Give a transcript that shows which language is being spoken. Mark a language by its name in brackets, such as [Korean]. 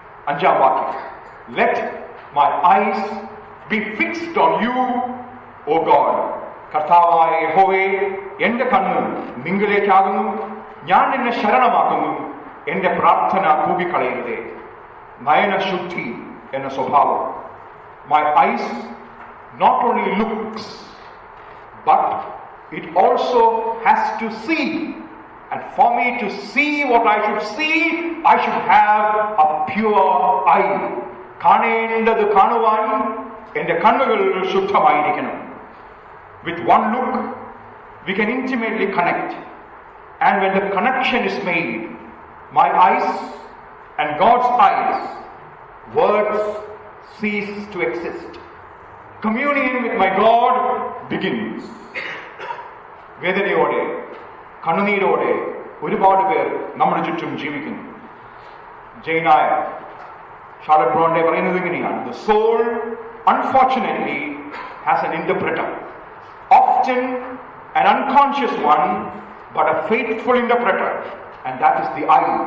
[Malayalam] അഞ്ചാം വാക്യം, [English] Let my eyes be fixed on you, O God. [Malayalam] കർത്താവായ യഹോവേ, എന്റെ കണ്ണ് നിങ്കിലേക്കാകുന്നു, ഞാൻ എന്നെ ശരണമാക്കുന്നു, എന്റെ പ്രാർത്ഥന കൂകിക്കളയരുതേ. നയനശുദ്ധി എന്ന സ്വഭാവം. [English] My eyes not only looks, but it also has to see. And for me to see what I should see, I should have a pure eye. [Malayalam] കാണേണ്ടത് കാണുവാൻ എന്റെ കണ്ണുകൾ ശുദ്ധമായിരിക്കണം. [English] With one look, we can intimately connect. And when the connection is made, my eyes and God's eyes, words cease to exist. Communion with my God begins. [Malayalam] വേദനയോടെ കണ്ണുനീരോടെ ഒരുപാട് പേർ നമ്മുടെ ചുറ്റും ജീവിക്കുന്നു. [English] Jane Eyre, Charlotte Bronte [Malayalam] പറയുന്നത് ഇങ്ങനെയാണ്, [English] The soul unfortunately has an interpreter, often an unconscious one but a faithful interpreter, and that is the eye.